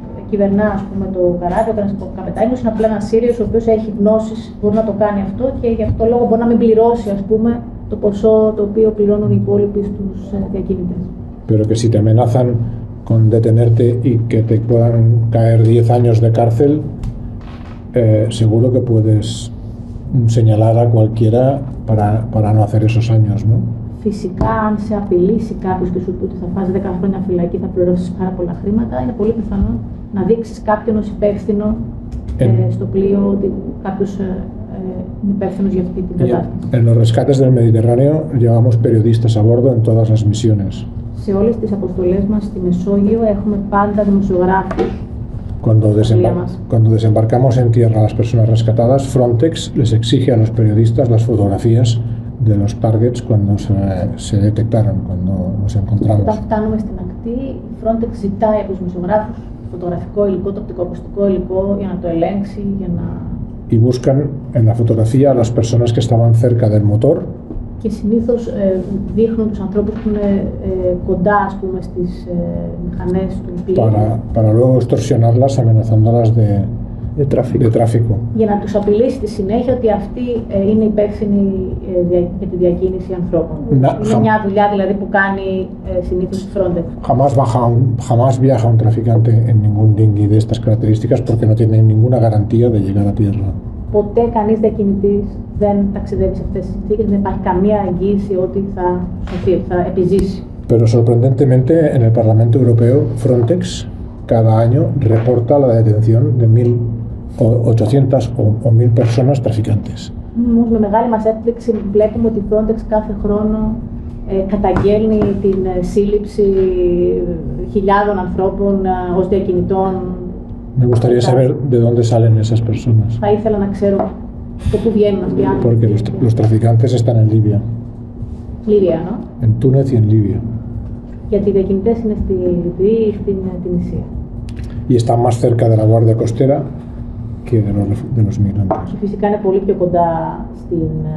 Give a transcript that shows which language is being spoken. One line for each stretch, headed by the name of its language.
Greek: κυβερνά, ας πούμε, το καράβι, ο καπετάνιος είναι απλά ένας Σύριος ο οποίος έχει γνώσεις, μπορεί να το κάνει αυτό και γι' αυτό λόγο μπορεί να μην πληρώσει, ας πούμε, το ποσό το οποίο πληρώνουν οι υπόλοιποι στους διακινητές.
Spanish: Pero que si te amenazan con detenerte y que te puedan caer 10 años de cárcel, seguro que puedes señalar a cualquiera para no hacer esos años, ¿no?
Greek: Φυσικά, αν σε απειλήσει κάποιος και σου πει ότι θα φας 10 χρόνια φυλακή, θα πληρώσεις πάρα πολλά χρήματα, είναι πολύ πιθανό να δείξεις κάποιον ως υπεύθυνο στο πλοίο, ότι κάποιος είναι υπεύθυνος για αυτή την κατάσταση.
Spanish: En los rescates del Mediterráneo llevamos periodistas a bordo en todas las misiones.
Greek: Σε όλες τις αποστολές μας στη Μεσόγειο έχουμε πάντα δημοσιογράφους.
Spanish: Cuando desembarcamos en tierra las personas rescatadas, Frontex les exige a los periodistas las fotografías de los targets cuando se detectaron, cuando los encontramos.
Greek: Όταν φτάνουμε στην ακτή, η Frontex ζητάει από τους δημοσιογράφους φωτογραφικό υλικό, τοπτικό ακουστικό υλικό για να το ελέγξει, για να...
Spanish: Y buscan en la fotografía a las personas que estaban cerca del motor.
Greek: Και συνήθως δείχνουν τους ανθρώπους που είναι κοντά, ας πούμε, στις μηχανές του πλοίου.
Spanish: Para luego extorsionarlas amenazándolas de tráfico.
Greek: Για να τους απειλήσει τη συνέχεια ότι αυτοί είναι υπεύθυνοι για τη διακίνηση ανθρώπων. Είναι μια δουλειά δηλαδή που κάνει συνήθως η Frontex.
Spanish: Jamás viaja un traficante en ningún dinghy de estas características porque no tiene ninguna garantía de llegar a tierra.
Greek: Ποτέ κανείς διακινητής δεν ταξιδεύει σε αυτές τις συνθήκες, δεν υπάρχει καμία εγγύηση ότι θα σωθεί, θα επιζήσει.
Spanish: Pero sorprendentemente en el Parlamento Europeo Frontex cada año reporta la detención de 1.800 o 1.000 personas traficantes.
Greek: Όμως με μεγάλη μας έκπληξη βλέπουμε ότι η Frontex κάθε χρόνο καταγγέλνει την σύλληψη χιλιάδων ανθρώπων ως διακινητών.
Spanish: Me gustaría saber de dónde salen esas personas.
Greek: Θα ήθελα να ξέρω από πού βγαίνουν αυτοί οι άνθρωποι.
Spanish: Porque los traficantes están en Libia. Libia, no? En Túnez y en Libia.
Greek: Γιατί οι διακινητές είναι στη Λιβύη ή στην Τινησία.
Spanish: Y están más cerca de la Guardia Costera que de los migrantes.
Greek: Φυσικά είναι πολύ πιο κοντά στην